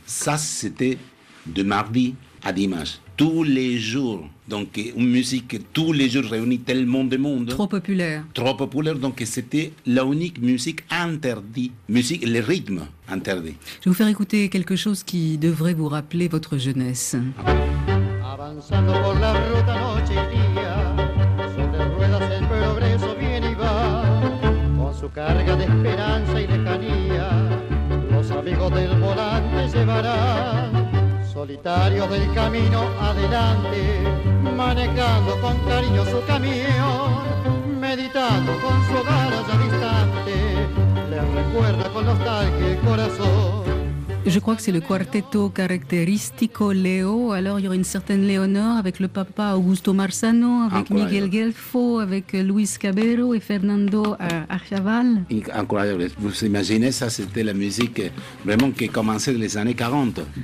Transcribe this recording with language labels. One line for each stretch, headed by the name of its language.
French: Ça, c'était de mardi à dimanche, tous les jours. Donc, une musique tous les jours réunit tellement de monde. Trop populaire. Trop populaire. Donc, c'était la unique musique interdite. Musique, le rythme interdit. Je vais vous faire écouter quelque chose qui devrait vous rappeler votre jeunesse.
Spanish: Avançando por la ruta noche y día, sobre ruedas el progreso viene y va, con su carga de esperanza y lejanía, los amigos del volante llevará. Solitarios del camino adelante, manejando con cariño su camión, meditando con su hogar allá distante, le recuerda con nostalgia el corazón.
French: Je crois que c'est le Quarteto Caracteristico Leo. Alors, il y aura une certaine Léonore avec le papa Augusto Marzano, avec incroyable. Miguel Guelfo, avec Luis Cabero et Fernando Archaval. Incroyable. Vous imaginez, ça, c'était la musique vraiment qui commençait dans les années 40.